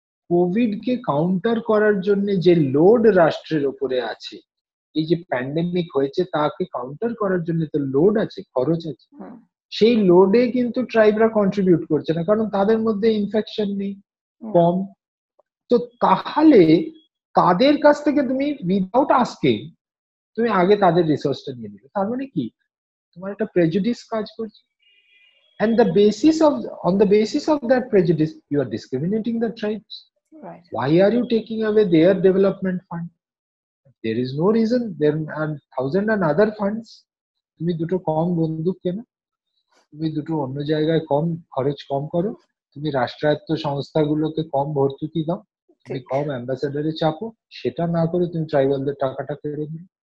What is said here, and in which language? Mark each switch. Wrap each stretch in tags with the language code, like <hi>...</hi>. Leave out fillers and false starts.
<bn>Covid কে counter করার জন্য যে লোড রাষ্ট্রের উপরে আছে, এই যে প্যান্ডেমিক হয়েছে তাকে কাউন্টার করার জন্য তো লোড আছে, খরচ আছে, সেই লোডে কিন্তু ট্রাইবরা কন্ট্রিবিউট করছে না, কারণ তাদের মধ্যে ইনফেকশন নেই কম। তো তাহলে তাদের কাছ থেকে তুমি</bn> <en>without asking</en> <bn>তুমি আগে তাদের রিসোর্সটা নিয়ে নিলে, তার মানে কি তোমার একটা প্রেজুডিস কাজ করছে,</bn> <en>and the basis of on the basis of that prejudice you are discriminating the tribes, right? Why are you taking away their development fund? There is no reason. There are thousand and other funds.</en> <bn>তুমি দুটো কম বন্দুক কেন, তুমি দুটো অন্য জায়গায় কম খরচ কম করো, তুমি রাষ্ট্রায়ত্ত সংস্থাগুলোকে কম ভর্তুকি দাও, তুমি কম অ্যাম্বাসেডারে চাপো, সেটা না করে তুমি ট্রাইবালদের টাকাটা কেড়ে নিলে।</bn>